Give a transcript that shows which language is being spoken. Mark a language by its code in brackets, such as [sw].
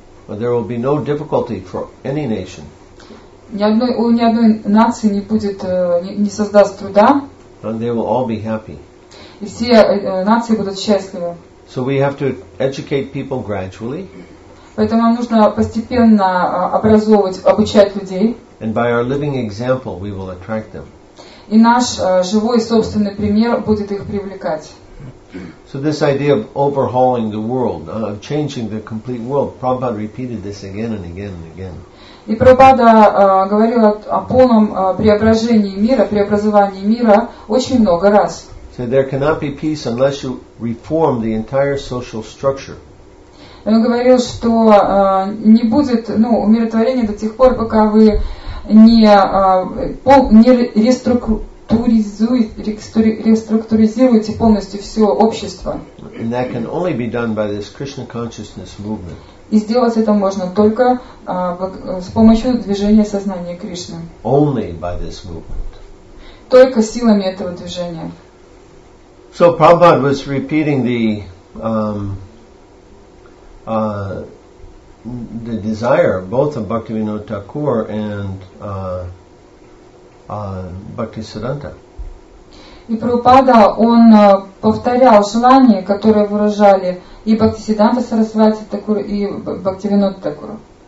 [en] there will be no difficulty for any nation. [ru] Ни одной нации не будет, не создаст труда. [en] And they will all be happy. [ru] И все нации будут счастливы. [en] So we have to educate people gradually. [ru] Поэтому нам нужно постепенно обучать людей. [en] And by our living example, we will attract them. [ru] И наш живой собственный пример будет их привлекать. [en] So this idea of overhauling the world, of changing the complete world, Prabhupada repeated this again and again and again. [ru] И Прабхупада говорил о полном преображении мира, преобразовании мира очень много раз. [en] So there cannot be peace unless you reform the entire social structure. [ru] Он говорил, что не будет, ну, умиротворения до тех пор, пока вы не реструктуризируете полностью все общество. [en] And that can only be done by this Krishna consciousness movement. [ru] И сделать это можно только с помощью движения сознания Кришны. [en] Only by this movement. [ru] Только силами этого движения. [en] So Prabhupada was repeating the desire both of Bhaktivinoda Thakur and Bhaktisiddhanta. [ru] И Прабхупада, он повторял желание, которое выражали и Бхактисиддханта Сарасвати Такур, и Бхактивинода Такур.